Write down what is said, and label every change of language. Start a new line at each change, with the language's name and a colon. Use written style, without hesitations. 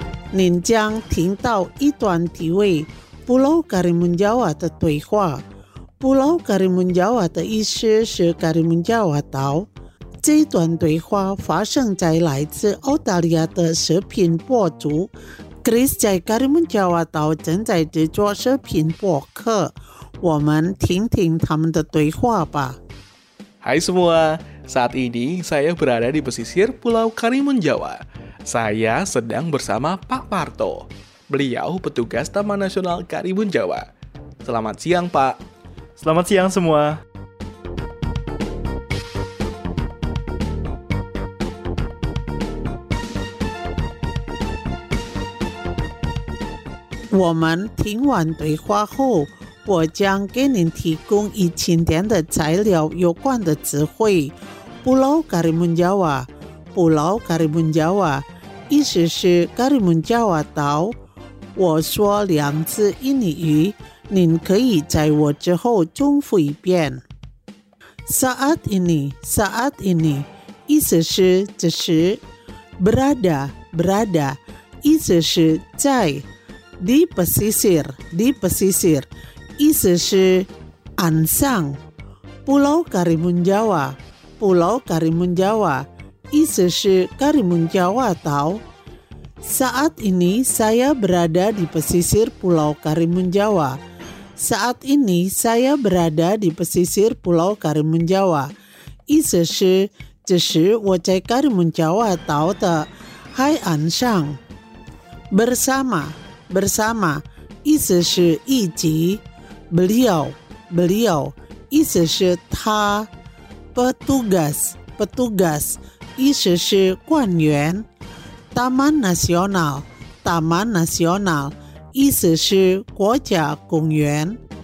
Chinese: 您将听到一段题为布洛卡里蒙加瓦的对话布洛卡里蒙加瓦的意思是卡里蒙加瓦岛这一段对话发生在来自澳大利亚的食品博主 Chris 在卡里蒙加瓦岛正在制作食品博客我们听听他们的对话吧
Indonesian: Hi semua saat ini saya berada di pesisir Pulau Karimun Jawa Saya sedang bersama Pak Parto. Beliau petugas Taman Nasional Karimun Jawa. Selamat siang, Pak. Selamat siang semua.
Chinese: Woman, 听完对话后，我将给您提供一千点的材料有关的词汇。
Indonesian: Pulau Karimun Jawa, Pulau Karimun Jawa.
Chinese: 意思是卡里蒙加瓦岛我说两字印尼语您可以在我之后重复一遍
Indonesian: Saat ini
Chinese: 意思是此时
Indonesian: berada, berada,
Chinese: 意思是在,
Indonesian: di pesisir,
Chinese: 意思是岸上,
Indonesian: Pulau Karimun Jawa, Pulau Karimun Jawa, 意思是Karimun Jawa tau. Saat ini saya berada di pesisir Pulau Karimun Jawa. Saat ini saya berada di pesisir Pulau Karimun Jawa.
Chinese: 意思是这时我在 Karimun Jawa 岛的海岸上.
Indonesian: Bersama, bersama,
Chinese: 意思是一起.
Indonesian: Beliau, beliau,
Chinese: 意思是他.
Indonesian: Petugas, petugas,
Chinese: 意思是官员.
Indonesian: Taman Nasional, Taman Nasional,
Chinese: 意思是国家公园.